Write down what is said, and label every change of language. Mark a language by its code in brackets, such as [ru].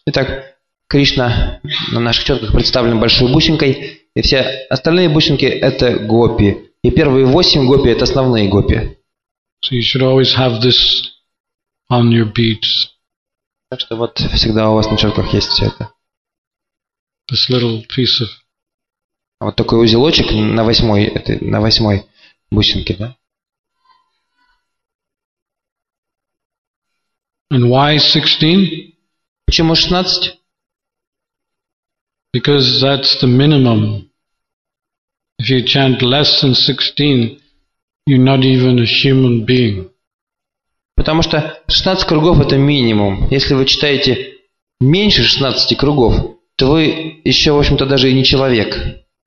[ru] Итак, Кришна на наших четках представлен большой бусинкой, и все остальные бусинки – это гопи. И первые восемь гопи – это основные гопи. [en] So you should always have this on your beads. [ru] Так что вот всегда у вас на чёртках есть все это. [en] This little piece of. [ru] Вот такой узелочек на восьмой, это на восьмой бусинке, да? [en] And why 16? [ru] Почему 16? [en] Because that's the minimum. If you chant less than 16, you're not even a human being. [ru] Потому что 16 кругов – это минимум. Если вы читаете меньше 16 кругов, то вы еще, в общем-то, даже и не человек.